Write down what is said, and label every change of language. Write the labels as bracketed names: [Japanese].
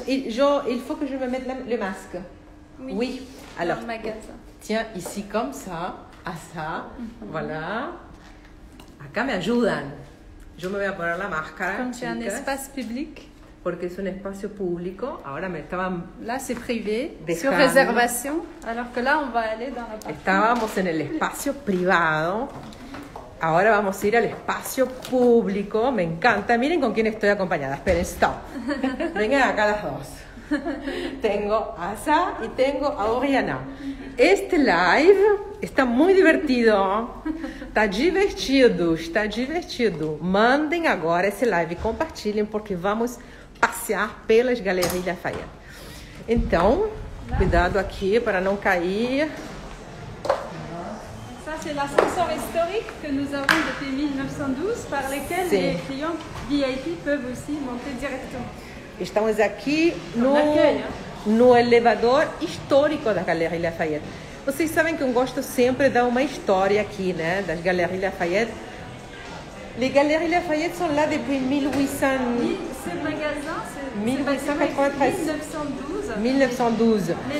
[French] il faut que je me mette le masque. Oui. Alors, tiens, ici comme ça, à ça, voilà. [Spanish] Acá me ayudan. Yo me voy a poner la máscara. [French] Comme tu as un espace public. [Spanish] Porque es un espacio público. Ahora me estaban. [French] Là, c'est privé. Sur réservation. Alors que là, on va aller dans la partie. [Spanish] Estábamos en el espacio privado. Ahora vamos a ir al espacio público. Me encanta. Miren con quién estoy acompañada. Esperen, stop. Vengan acá las dos. Tengo a Asa y tengo a Oriana. Este live está muy divertido. [Portuguese] Está divertido. Mandem agora esse live, compartilhem, porque vamos passear pelas galerias da Faia. Então, cuidado aqui para não cair. [French] C'est l'ascenseur historique que nous avons depuis 1912 par lequel les clients VIP peuvent aussi monter directement. [Portuguese] Estamos aqui no elevador histórico da Galeria Lafayette. Vocês sabem que eu gosto sempre de dar uma história aqui, né, das Galeries Lafayette. [French] Les Galeries Lafayette sont là depuis 1912.